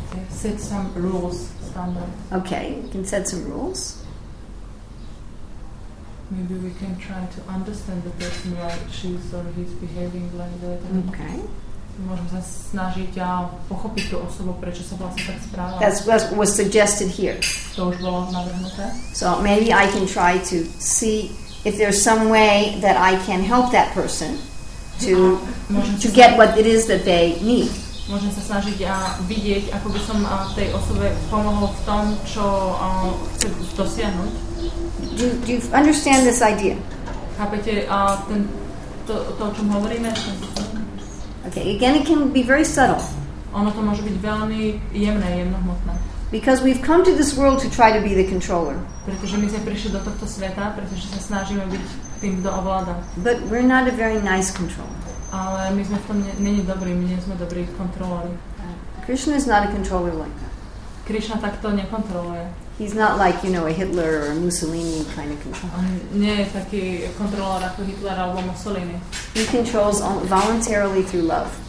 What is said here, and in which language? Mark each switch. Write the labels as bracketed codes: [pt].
[en] Set some rules, standard. Okay, you can set some rules. Maybe we can try to understand the person why she's or he's behaving like that. Okay. [sk] Môžeme sa snažiť a pochopiť tú osobu, prečo sa vlastne tak správa. [en] That's what was suggested here. [sk] To už bolo navrhnuté. [en] So maybe I can try to see if there's some way that I can help that person to get what it is that they need. [sk] Môžem sa snažiť a vidieť, ako by som tej osobe pomohol v tom, čo chce dosiahnuť. [en] Do you understand this idea? [sk] Chápete, o čom hovoríme? [en] Okay, again, it can be very subtle. [sk] Ono to môže byť veľmi jemné, jemnohmotné. [en] Because we've come to this world to try to be the controller. [sk] Pretože my sme prišli do tohto sveta, pretože sa snažíme byť tým, kto ovláda. [en] But we're not a very nice controller. [sk] Ale my sme v tom není dobrí, my nie sme dobrí kontrolóri. [en] Krishna is not a controller like that. [sk] Krishna takto nekontroluje. [en] He's not like, you know, a Hitler or a Mussolini kind of controller. [sk] Nie je taký kontrolór ako Hitler alebo Mussolini. [en] He controls voluntarily through love.